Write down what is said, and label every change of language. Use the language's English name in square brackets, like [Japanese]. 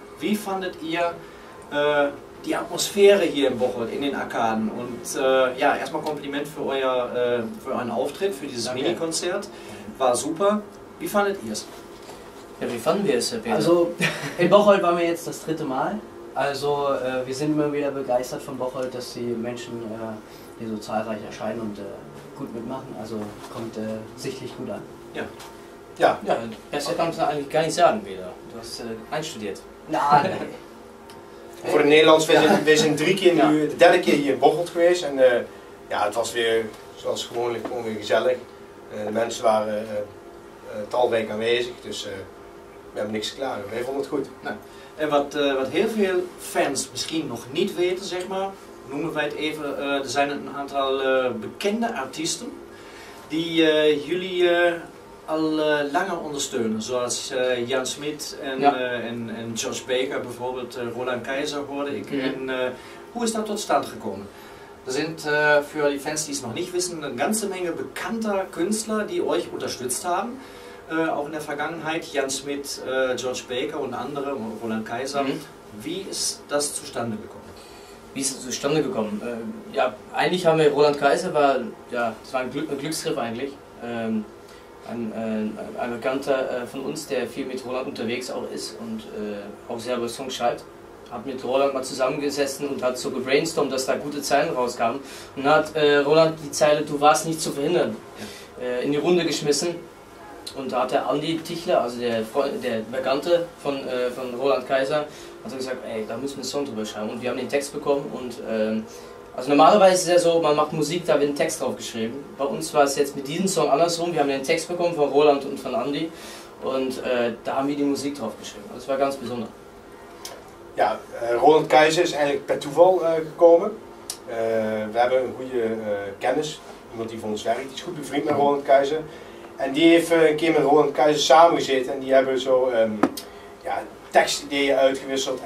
[Dutch] Wie vonden ihr die atmosfeer hier in Bocholt, [German] in den Arkaden? [Dutch] En eerstmal compliment voor [German] euren Auftritt, [Dutch] voor [German] dieses [Dutch] mini-concert. [German] War super. Wie fandet ihr es? Ja, wie fanden wir es, Herr Peter? Also, in Bocholt waren wir jetzt das dritte Mal. Also, wir sind immer wieder begeistert von Bocholt, dass die Menschen hier so zahlreich erscheinen und gut mitmachen. Also, kommt sichtlich gut an. Ja. Ja. Ja, besser kannst du eigentlich gar nicht sagen, Peter. Du hast einstudiert. Na, nee. [Dutch] Voor de Nederlands, we zijn drie keer nu, de derde keer hier in Bocholt geweest. En ja, het was weer zoals gewoonlijk gewoon weer gezellig. De mensen waren talrijk aanwezig, dus we hebben niks te klagen. Wij vonden het goed. Nou, en wat heel veel fans misschien nog niet weten, zeg maar, noemen wij het even. Er zijn een aantal bekende artiesten die jullie al langer ondersteunen, zoals Jan Smit en George Baker, bijvoorbeeld Roland Keizer hoorde ik. Mm-hmm. En hoe is dat tot stand gekomen? [German] Er sind für die Fans, die es noch nicht wissen, eine ganze Menge bekannter Künstler, die euch unterstützt haben, auch in der Vergangenheit. Jan Smit, George Baker und andere, Roland Keizer. Mhm. Wie ist das zustande gekommen? Wie ist das zustande gekommen? Ja, eigentlich haben wir Roland Keizer, das war ein Glücksgriff eigentlich. Ein Bekannter von uns, der viel mit Roland unterwegs auch ist und auch selber Songs schreibt. Hat mit Roland mal zusammengesessen und hat so gebrainstormt, dass da gute Zeilen rauskamen. Und hat Roland die Zeile "Du warst nicht zu verhindern" in die Runde geschmissen. Und da hat der Andi Tichler, also der Bekannte von Roland Keizer, hat gesagt, ey, da müssen wir einen Song drüber schreiben. Und wir haben den Text bekommen. Und also normalerweise ist es ja so, man macht Musik, da wird ein Text drauf geschrieben. Bei uns war es jetzt mit diesem Song andersrum. Wir haben den Text bekommen von Roland und von Andi. Und da haben wir die Musik drauf geschrieben. Das war ganz besonders. [Dutch] Ja, Roland Keizer is eigenlijk per toeval gekomen. We hebben een goede kennis, iemand die voor ons werkt, die is goed bevriend met Roland Keizer. En die heeft een keer met Roland Keizer samengezeten en die hebben zo tekstideeën uitgewisseld.